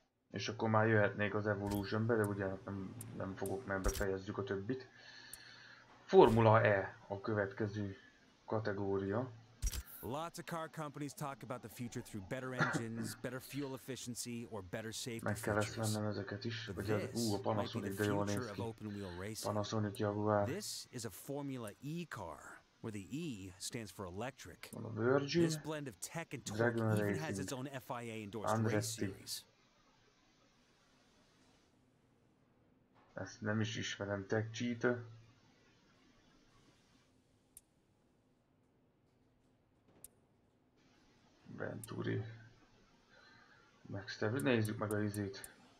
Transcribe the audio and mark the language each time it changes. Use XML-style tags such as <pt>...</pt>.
<hu>És akkor már jöhetnék az Evolution-be, de ugye nem fogok, mert befejezzük a többit. Formula E a következő kategória.</hu> <en>Lots of car companies talk about the future through better engines, better fuel efficiency, or better safety features.</en> <hu>Meg kell ezt vennem ezeket is, hogy az, ú, a Panasonic, de jól néz ki. Panasonic Jaguar.</hu> <en>This is a Formula E car, where the E stands for electric.</en> <hu>Van a Virgin.</hu> <en>This blend of tech and torque even has its own FIA endorsed race series.</en> <hu>Ezt nem is ismerem, Tech Cheetah. Venturi. Megsztevő. Nézzük meg a izét.</hu>